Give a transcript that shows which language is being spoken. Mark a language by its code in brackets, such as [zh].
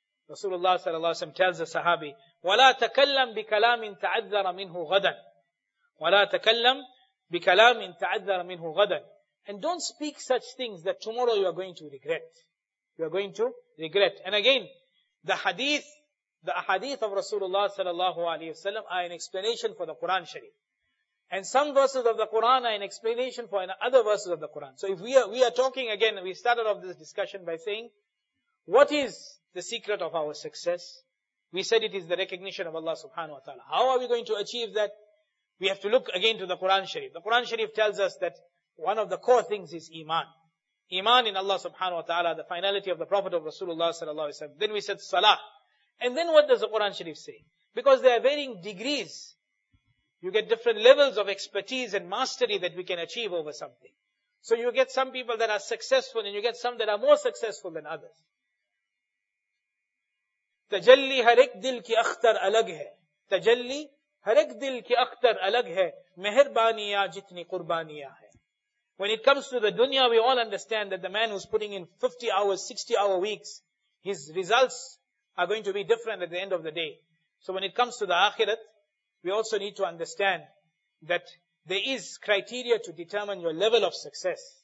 [en] Rasulullah sallallahu alayhi wa sallam tells the Sahabi, [ar] وَلَا تَكَلَّمْ بِكَلَامٍ تَعَذَّرَ مِنْهُ غَدًا وَلَا تَكَلَّمْ بِكَلَامٍ تَعَذَّرَ مِنْهُ غَدًا. [en] And don't speak such things that tomorrow you are going to regret. You are going to regret. And again, the hadith of Rasulullah sallallahu alayhi wa sallam are an explanation for the Quran Sharif. And some verses of the Quran are an explanation for other verses of the Quran. So if we are talking again, we started off this discussion by saying, what is the secret of our success? We said it is the recognition of Allah subhanahu wa ta'ala. How are we going to achieve that? We have to look again to the Quran Sharif. The Quran Sharif tells us that one of the core things is Iman. Iman in Allah subhanahu wa ta'ala, the finality of the Prophet of Rasulullah sallallahu alayhi wa sallam. Then we said Salah. And then what does the Quran Sharif say? Because there are varying degrees. You get different levels of expertise and mastery that we can achieve over something. So you get some people that are successful and you get some that are more successful than others. [ur] تجلی ہر ایک دل کی اختر الگ ہے تجلی ہر ایک دل کی اختر الگ ہے مہربانیاں جتنی قربانیاں ہیں. [en] When it comes to the dunya, we all understand that the man who's putting in 50 hours, 60 hour weeks, his results are going to be different at the end of the day. So when it comes to the akhirat, we also need to understand that there is criteria to determine your level of success.